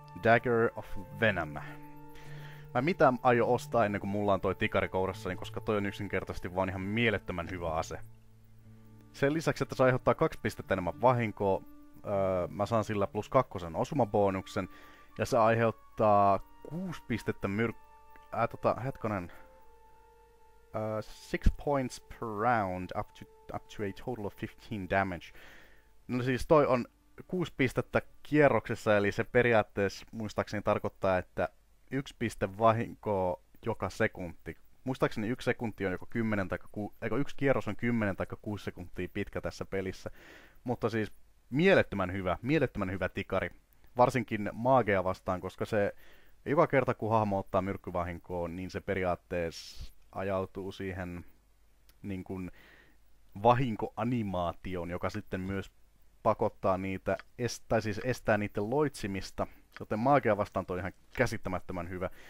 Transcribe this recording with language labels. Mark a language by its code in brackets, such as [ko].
[fi] Dagger of Venom. Mä en mitään aio ostaa ennen kuin mulla on toi tikari kourassani, koska toi on yksinkertaisesti vaan ihan mielettömän hyvä ase. Sen lisäksi, että se aiheuttaa 2 pistettä enemmän vahinkoa, mä saan sillä plus 2 osumabonuksen, ja se aiheuttaa 6 pistettä hetkonen. [en] 6 points per round, up to a total of 15 damage. [fi] No siis toi on 6 pistettä kierroksessa, eli se periaatteessa muistaakseni tarkoittaa, että 1 piste vahinkoa joka sekunti. Muistaakseni 1 sekunti on joko 10 tai 6, eikö 1 kierros on 10 tai 6 sekuntia pitkä tässä pelissä. Mutta siis mielettömän hyvä tikari. Varsinkin maagea vastaan, koska se joka kerta kun hahmo ottaa myrkkyvahinkoa, niin se periaatteessa ajautuu siihen niin kuin vahinkoanimaatioon, joka sitten myös pakottaa niitä, estää niiden loitsimista, joten maagia vastaan toi ihan käsittämättömän hyvä.